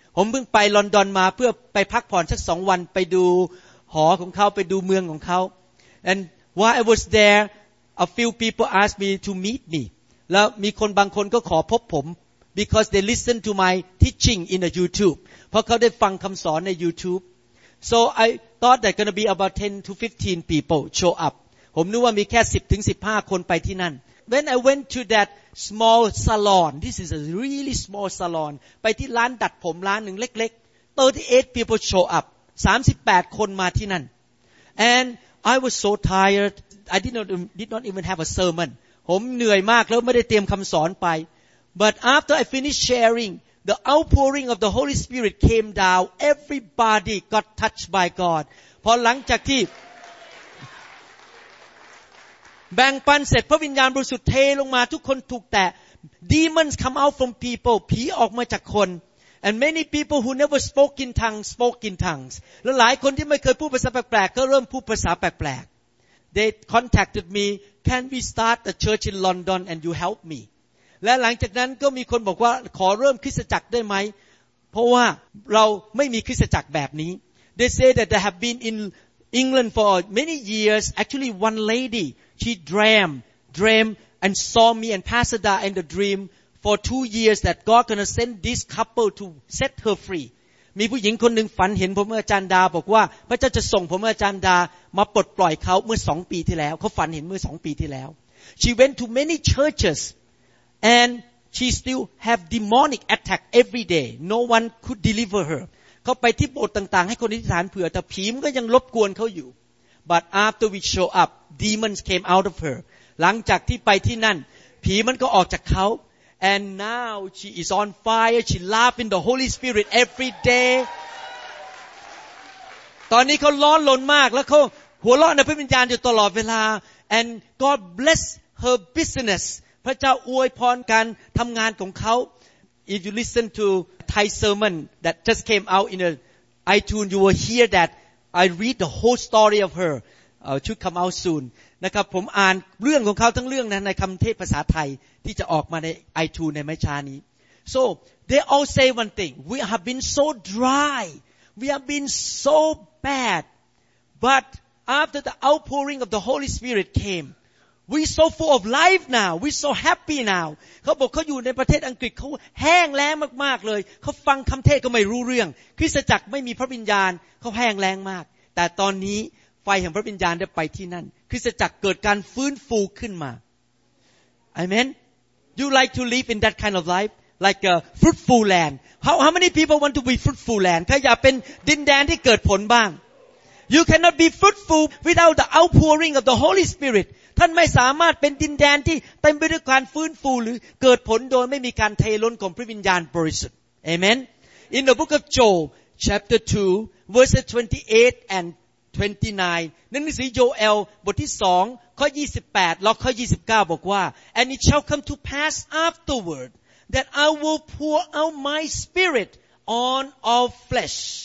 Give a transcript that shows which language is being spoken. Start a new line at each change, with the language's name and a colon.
Thai: ผมเพิ่งไปลอนดอนมาเพื่อไปพักผ่อนสัก2วันไปดูหอของเขาไปดูเมืองของเขา
English: And while I was there, a few people asked me to meet me.
Thai: แล้วมีคนบางคนก็ขอพบผม
English: Because they listen to my teaching in the YouTube.
Thai: เพราะเขาได้ฟังคำสอนใน YouTube.
English: So I thought that gonna be about 10 to 15 people show up.
Thai: ผมนึกว่ามีแค่10ถึง15คนไปที่นั่น.
English: When I went to that small salon, this is a really small salon.
Thai: ไปที่ร้านดัดผมร้านหนึ่งเล็กๆ.
English: 38 people show up.
Thai: 38คนมาที่นั่น.
English: And I was so tired. I did not even have a sermon.
Thai: ผมเหนื่อยมากแล้วไม่ได้เตรียมคำสอนไป
English: But after I finished sharing, the outpouring of the Holy Spirit came down. Everybody got touched by God.
Thai: พอหลังจากที่แบ่งปันเสร็จพระวิญญาณบริสุทธิ์เทลงมาทุกคนถูกแตะ
English: Demons come out from people.
Thai: ผีออกมาจากคน
English: And many people who never spoke in tongues spoke in tongues.
Thai: และหลายคนที่ไม่เคยพูดภาษาแปลกๆก็เริ่มพูดภาษาแปลกๆ
English: They contacted me. Can we start a church in London and you help me?
Thai: และหลังจากนั้นก็มีคนบอกว่าขอเริ่มคริสตจักรได้ไหมเพราะว่าเราไม่มีคริสตจักรแบบนี้
English: They say that they have been in England for many years. Actually, one lady, she dream and saw me and Pastor Da in the dream for 2 years that God gonna send this couple to set her free.
Thai: มีผู้หญิงคนหนึ่งฝันเห็นผมอาจารย์ดาบอกว่าพระเจ้าจะส่งผมอาจารย์ดามาปลดปล่อยเขาเมื่อ2ปีที่แล้วเขาฝันเห็นเมื่อ2ปีที่แล้ว
English: She went to many churchesAnd she still have demonic attack every day. No one could deliver her.
Thai: เขาไปที่โบสถ์ต่างๆให้คนอธิษฐานเผื่อแต่ผีมันก็ยังรบกวนเขาอยู่
English: But after we show up, demons came out of her.
Thai: หลังจากที่ไปที่นั่นผีมันก็ออกจากเขา
English: And now she is on fire. She laughs in the Holy Spirit every day.
Thai: ตอนนี้เขาร้อนลนมากแล้วเขาหัวเราะในพระวิญญาณอยู่ตลอดเวลา
English: And God bless her business.
Thai: พระเจ้าอวยพรการทำงานของเขา
English: If you listen to Thai sermon that just came out in a iTunes, you will hear that I read the whole story of her. Should come out soon.
Thai: นะครับผมอ่านเรื่องของเขาทั้งเรื่องนะในคำเทศภาษาไทยที่จะออกมาใน iTunes ในไม่ช้านี้
English: So they all say one thing. We have been so dry. We have been so bad. But after the outpouring of the Holy Spirit cameWe so full of life now. We so happy now.
Thai: เขาบอกเขาอยู่ในประเทศอังกฤษเขาแห้งแล้งมากๆเลยเขาฟังคำเทศก็ไม่รู้เรื่องคริสตจักรไม่มีพระวิญญาณเขาแห้งแล้งมากแต่ตอนนี้ไฟแห่งพระวิญญาณได้ไปที่นั่นคริสตจักรเกิดการฟื้นฟูขึ้นมา Amen.
English: You like to live in that kind of life, like a fruitful land. How many people want to be fruitful land?
Thai: ใครอยากเป็นดินแดนที่เกิดผลบ้าง
English: You cannot be fruitful without the outpouring of the Holy Spirit.
Thai: ท่านไม่สามารถเป็นดินแดนที่เต็มไปด้วยการฟื้นฟูหรือเกิดผลโดยไม่มีการเทล้นของพระวิญญาณบริสุทธิ์
English: Amen In the book of Joel chapter 2 verses 28 and 29
Thai: ในหนังสือโยเอลบทที่2ข้อ28และข้อ29บอกว่า
English: And it shall come to pass afterward that I will pour out my spirit on all flesh.